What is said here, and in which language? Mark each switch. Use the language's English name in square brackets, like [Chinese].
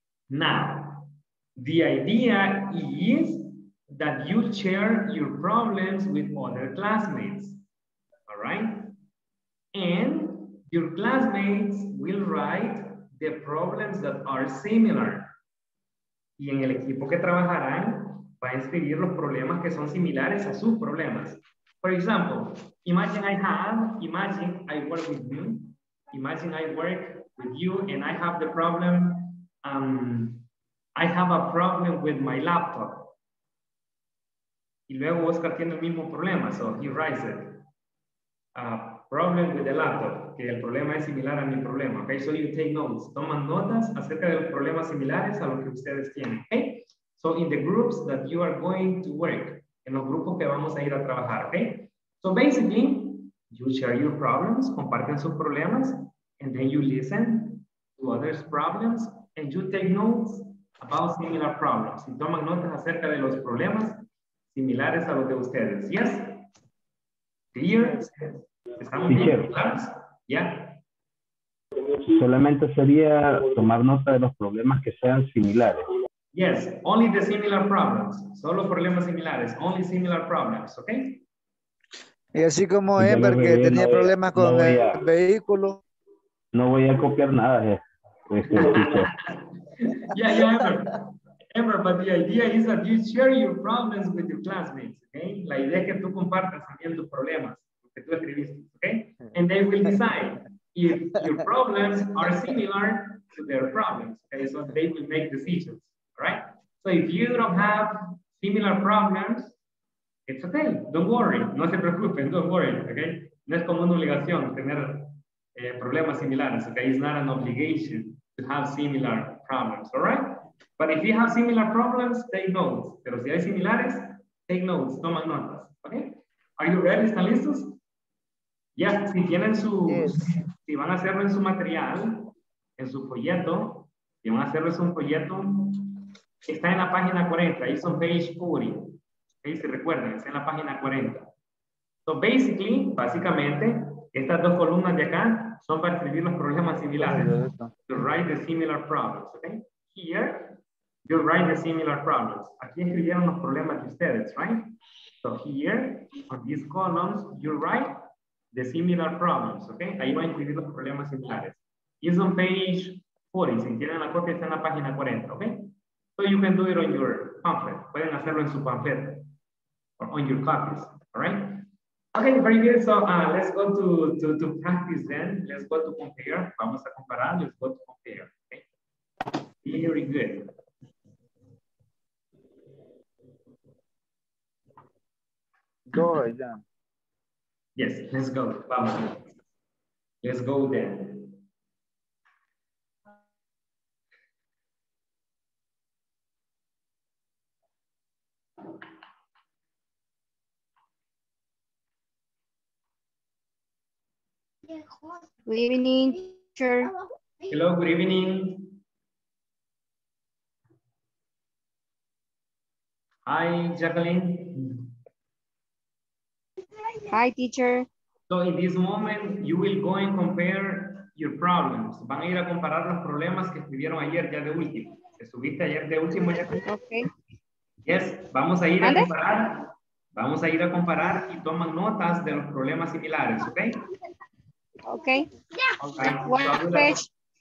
[English] Now, the idea is that you share your problems with other classmates. All right? And your classmates will write the problems that are similar. [Spanish] Y en el equipo que trabajarán va a escribir los problemas que son similares a sus problemas. [English] For example, imagine I work with you and I have the problem, I have a problem with my laptop. [Spanish] Y luego Oscar tiene el mismo problema, [English] so he writes it. Problem with the laptop, [Spanish] que el problema es similar a mi problema. [English] Okay, so you take notes. [Spanish] Toman notas acerca de los problemas similares a los que ustedes tienen. [English] Okay, so in the groups that you are going to work, [Spanish] en los grupos que vamos a ir a trabajar. [English] Okay, so basically, you share your problems, [Spanish] comparten sus problemas, [English] and then you listen to others' problems, and you take notes about similar problems. [Spanish] Y toman notas acerca de los problemas similares a los de ustedes. [English] Yes? Clear? [Spanish] Estamos bien, claro. ¿Ya? Solamente sería tomar nota de los problemas que sean similares. [English] Yes, only the similar problems. [Spanish] Solo problemas similares. [English] Only similar problems, ¿ok? [Spanish] Y así como es, porque tenía problemas con el vehículo. No voy a copiar nada. [English] Ever, but the idea is that you share your problems with your classmates, ¿ok? [Spanish] La idea es que tú compartas también tus problemas. [English] Okay, and they will decide if your problems are similar to their problems. Okay, so they will make decisions, right? So if you don't have similar problems, it's okay. Don't worry. [Spanish] No se preocupen. [English] Don't worry. [Spanish] Okay, no es como una obligación tener problemas similares. [English] Okay, it's not an obligation to have similar problems. All right, but if you have similar problems, take notes. [Spanish] Pero si hay similares, [English] take notes. [Spanish] Toma notas. [English] Okay, are you ready? [Spanish] ¿Están listos? Ya, si tienen su, yes. Si van a hacerlo en su material, en su folleto, que van a hacerles un proyecto, está en la página 40, es un page 40. Okay, si recuerdan, está en la página 40. [English] So basically, [Spanish] básicamente, estas dos columnas de acá son para escribir los problemas similares. [English] To write the similar problems, okay? Here, you write the similar problems. [Spanish] Aquí escribieron los problemas de ustedes, right? [English] So here, on these columns, you write the similar problems, okay? [Spanish] Ahí van a escribir los problemas similares. [English] It's on page 40. [Spanish] Si tienen la copia, está en la página 40, okay? [English] So you can do it on your pamphlet. [Spanish] Pueden hacerlo en su pamphlet. [English] Or on your copies, all right? Okay, very good. So let's go to practice then. Let's go to compare. [Spanish] Vamos a comparar. [English] Let's go to compare, okay? Very good. Go ahead, John. Yes, let's go. Vamos. Let's go then. Good evening, teacher. Hello, good evening. Hi, Jacqueline. Hi, teacher. So in this moment, you will go and compare your problems. [Spanish] Van a ir a comparar los problemas que escribieron ayer, ya de último. Estuviste ayer de último. Ya. [English] Okay. [Spanish] Yes, vamos a ir a comparar. Vamos a ir a comparar y toman notas de los problemas similares, okay? [English] Okay. Yeah. Okay. Page.